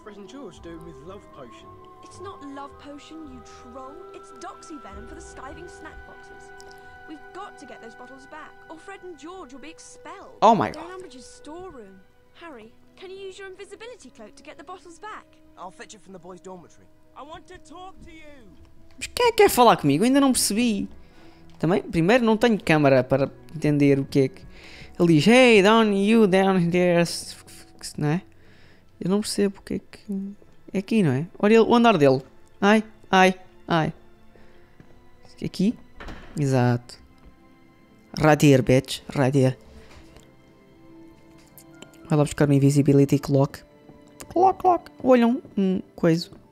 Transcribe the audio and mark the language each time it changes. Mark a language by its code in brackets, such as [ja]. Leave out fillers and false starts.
[en] George doing with love potion. It's not love potion, you troll. It's doxy venom for the skiving snack boxes. We've got to get those bottles back, or Fred and George will be expelled. Oh my god. They're in Umbridge's storeroom. Harry, can you use your invisibility cloak to get the bottles back? I'll fetch it from the boys' dormitory. I want to talk to you. [pt] Mas quem é que quer falar comigo? Eu ainda não percebi. Também, primeiro não tenho câmara para entender o que é que ele diz. [en] Hey, down you down there, né? [pt] Eu não percebo porque é que... É aqui, não é? Olha ele, o andar dele. Ai, ai, ai. Aqui? Exato. [en] Right here, bitch. Right here. [pt] Vai lá buscar um invisibility clock. Clock, clock. Olham um coiso.